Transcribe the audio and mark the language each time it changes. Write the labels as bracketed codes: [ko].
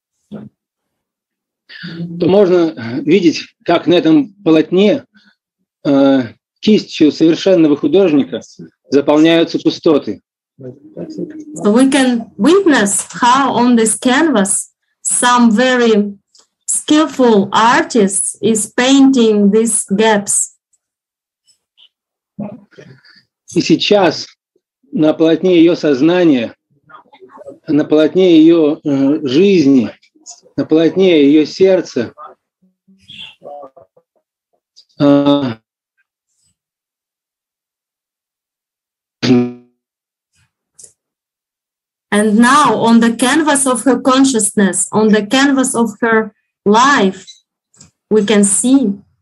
[ru] то можно видеть, как на этом полотне кистью совершенного художника заполняются пустоты. [en] So we can witness how on this canvas some very skillful artist is painting these gaps. [ru] И сейчас на полотне ее сознания, на полотне ее жизни наплотнее ее сердце. [en] And now on the canvas of her consciousness, on the canvas of her life, we can see.